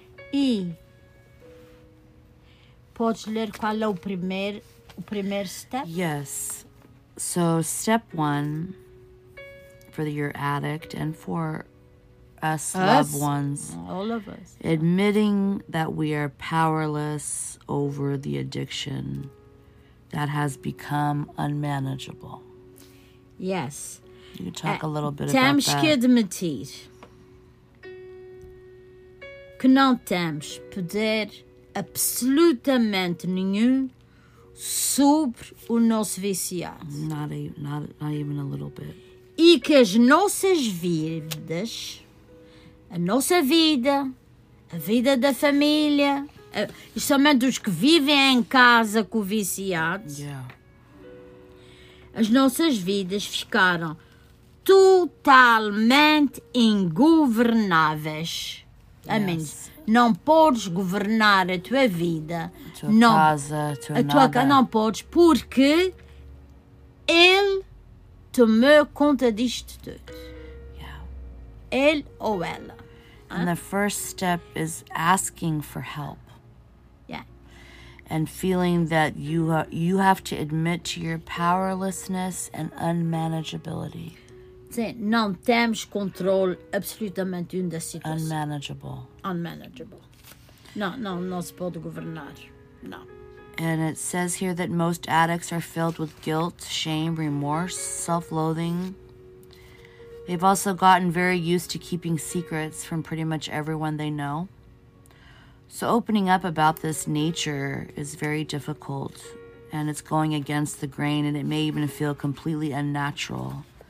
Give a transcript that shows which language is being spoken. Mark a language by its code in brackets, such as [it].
[pt] E pode ler qual é o primeiro step? [en] Yes. So step one for your addict and for us loved ones. All of us. Admitting that we are powerless over the addiction that has become unmanageable. Yes. You can talk a little bit about that. [pt] Temos que admitir que não temos poder absolutamente nenhum sobre o nosso viciado. [en] Not even a little bit. [pt] E que as nossas vidas, a nossa vida, a vida da família, especialmente os que vivem em casa com viciados, [en] yeah. [pt] as nossas vidas ficaram totalmente ingovernáveis. [en] Yes. Amém. [pt] Não podes governar a tua vida, a tua casa, não podes, porque ele tomou conta disto tudo. [en] Yeah. [pt] Ele ou ela. [en] And the first step is asking for help. Yeah. And feeling that you have to admit to your powerlessness and unmanageability. [pt] Sim, não temos controle absolutamente nenhum da situação. [en] Unmanageable. [pt] Não se pode governar. Não. [en] And it says here that most addicts are filled with guilt, shame, remorse, self-loathing. They've also gotten very used to keeping secrets from pretty much everyone they know. So opening up about this nature is very difficult, and it's going against the grain, and it may even feel completely unnatural.